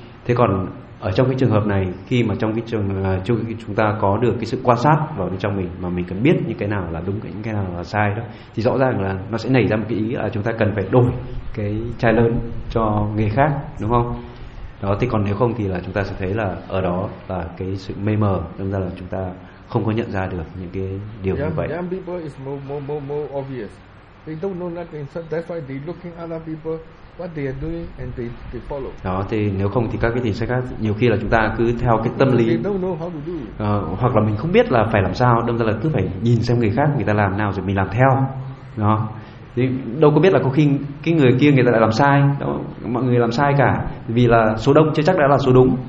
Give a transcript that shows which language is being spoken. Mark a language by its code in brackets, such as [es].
[vi] Thế còn ở trong cái trường hợp này, khi mà trong cái trường chúng ta có được cái sự quan sát vào bên trong mình mà mình cần biết những cái nào là đúng, những cái nào là sai đó, thì rõ ràng là nó sẽ nảy ra một cái ý là chúng ta cần phải đổi cái chai lớn cho người khác, đúng không? Đó, thì còn nếu không thì là chúng ta sẽ thấy là ở đó là cái sự mê mờ, đâm ra là chúng ta không có nhận ra được những cái điều như vậy. [en] Young people is more obvious. They don't know nothing, so that's why they looking other people what they are doing and they follow. [vi] Đó, thì nếu không thì các cái thiền sinh khác nhiều khi là chúng ta cứ theo cái tâm lý, hoặc là mình không biết là phải làm sao, đâm ra là cứ phải nhìn xem người khác người ta làm nào rồi mình làm theo. Đó, thì đâu có biết là có khi cái người kia người ta lại làm sai đó, mọi người làm sai cả vì là số đông chưa chắc đã là số đúng.